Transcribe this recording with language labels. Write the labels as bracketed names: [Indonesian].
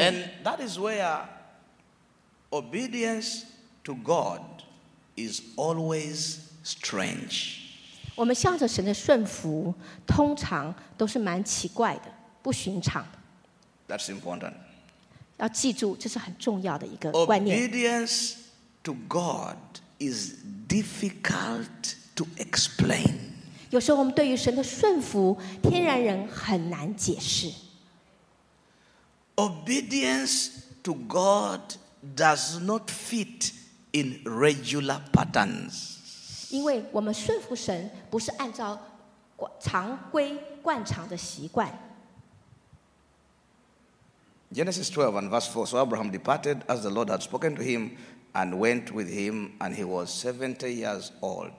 [English] And that is where obedience to God is always strange. [Chinese] 我们向着神的顺服，通常都是蛮奇怪的，不寻常。 [English] That's important. [Chinese] 要记住，这是很重要的一个观念。 [English] Obedience to God is difficult to explain. [Chinese] 有时候我们对于神的顺服，天然人很难解释。 [English] Obedience to God does not fit in regular patterns. [Chinese] 因为我们顺服神不是按照常规惯常的习惯。 [English] Genesis 12 and verse 4. So Abraham departed as the Lord had spoken to him and went with him, and he was 70 years old.